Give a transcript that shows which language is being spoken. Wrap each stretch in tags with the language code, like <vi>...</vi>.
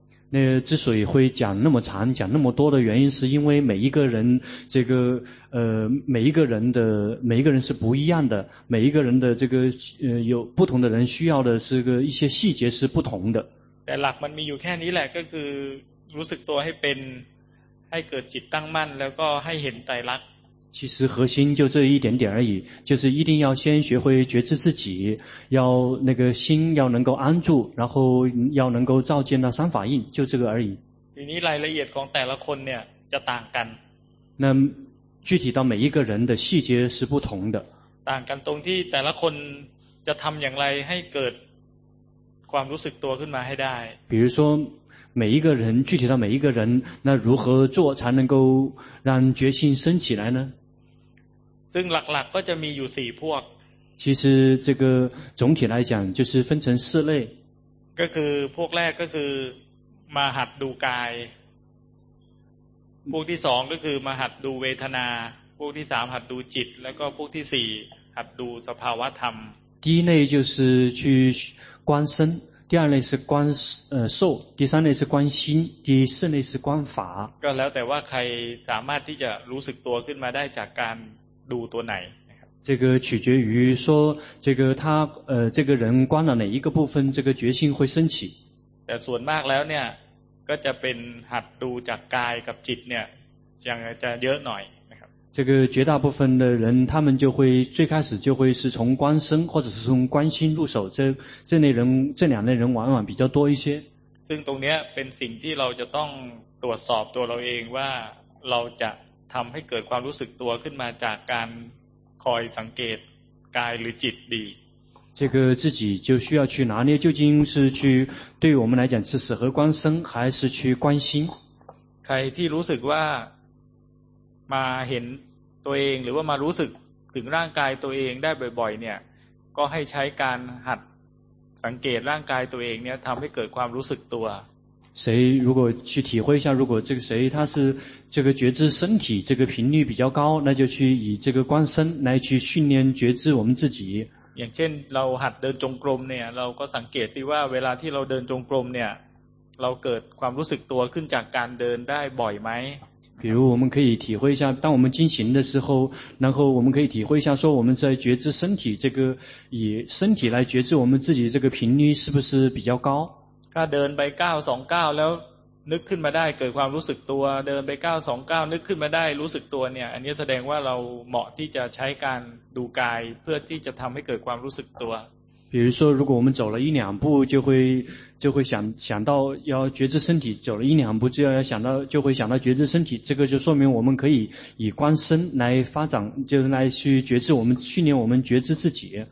<zh>那之所以会讲那么长讲那么多的原因是因为每一个人这个每一个人是不一样的每一个人的这个有不同的人需要的是个一些细节是不同的</zh> <th>แต่หลักมันมีอยู่แค่นี้แหละก็คือรู้สึกตัวให้เป็นให้เกิดจิตตั้งมั่นแล้วก็ให้เห็นไตรลักษณ์</th> <zh>其实核心就这一点点而已就是一定要先学会觉知自己要那个心要能够安住然后要能够照见那三法印就这个而已</zh> <th>ทีนี้รายละเอียดของแต่ละคนเนี่ยจะต่างกัน</th> <zh>那具体到每一个人的细节是不同的</zh> <th>ต่างกันตรงที่แต่ละคนจะทำอย่างไรให้เกิดความรู้สึกตัวขึ้นมาให้ได้</th> <zh>比如说每一个人具体到每一个人那如何做才能够让觉性升起来呢</zh> <th>ซึ่งหลักๆก็จะมีอยู่4พวก</th> <zh>其实这个总体来讲就是分成四类</zh> <th>ก็คือพวกแรกก็คือมาหัดดูกายพวกที่2ก็คือมาหัดดูเวทนาพวกที่3หัดดูจิตแล้วก็พวกที่4หัดดูสภาวะธรรม</th> <zh>第一类就是去观身第二类是观受，第三类是观心，第四类是观法。</zh> <th>ก็แล้วแต่ว่าใครสามารถที่จะรู้สึกตัวขึ้นมาได้จากการดูตัวไหน。</th> <zh>这个取决于说这个他这个人观了哪一个部分，这个觉性会升起。</zh> <th>แต่ส่วนมากแล้วเนี่ยก็จะเป็นหัดดูจากกายกับจิตเนี่ยจะเยอะหน่อย。</th> <zh>这个绝大部分的人他们就会最开始就会是从观身或者是从观心入手这两类人往往比较多一些</zh> <th>ซึ่งตรงเนี้ยเป็นสิ่งที่เราจะต้องตรวจสอบตัวเราเองว่าเราจะทำให้เกิดความรู้สึกตัวขึ้นมาจากการคอยสังเกตกายหรือจิตดี</th> <zh>这个自己就需要去拿捏究竟是去对我们来讲是适合观身还是去观心</zh> <th>ใครที่รู้สึกว่ามาเห็นตัวเองหรือว่ามารู้สึกถึงร่างกายตัวเองได้บ่อยๆเนี่ยก็ให้ใช้การหัด สังเกตร่างกายตัวเองเนี่ยทำให้เกิดความรู้สึกตัว</th> <zh>谁如果去体会一下，如果这个谁他是这个觉知身体这个频率比较高，那就去以这个观身来去训练觉知我们自己。</zh> <th>อย่างเช่นเราหัดเดินจงกรมเนี่ยเราก็สังเกตดีว่าเวลาที่เราเดินจงกรมเนี่ยเราเกิดความรู้สึกตัวขึ้นจากการเดินได้บ่อยไหม</th> <zh>比如我们可以体会一下，当我们进行的时候，然后我们可以体会一下，说我们在觉知身体这个以身体来觉知我们自己这个频率是不是比较高？</zh> <th>ถ้าเดินไปก้าวสองก้าวแล้วนึกขึ้นมาได้เกิดความรู้สึกตัวเดินไปก้าวสองก้าวนึกขึ้นมาได้รู้สึกตัวเนี่ยอันนี้แสดงว่าเราเหมาะที่จะใช้การดูกายเพื่อที่จะทำให้เกิดความรู้สึกตัว</th> <zh>比如说，如果我们走了一两步，就会想到要觉知身体；走了一两步，就会想到觉知身体。这个就说明我们可以以观身来发展，就是来去觉知我们训练我们觉知自己。</zh>